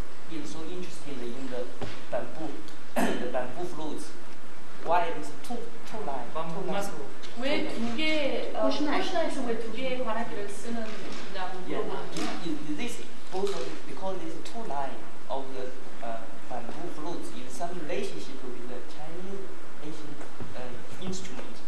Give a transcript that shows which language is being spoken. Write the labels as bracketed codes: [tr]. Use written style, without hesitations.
[en] He's so interested in the bamboo, the bamboo flutes. Why is it two lines? Bamboo muscle. [ko] 왜 두 개, 코시나에서 왜 두 개의 관악기를 쓰는 그냥 물어봐. [en] Yeah, this, because these two lines of the bamboo flutes in some relationship with the Chinese ancient instrument.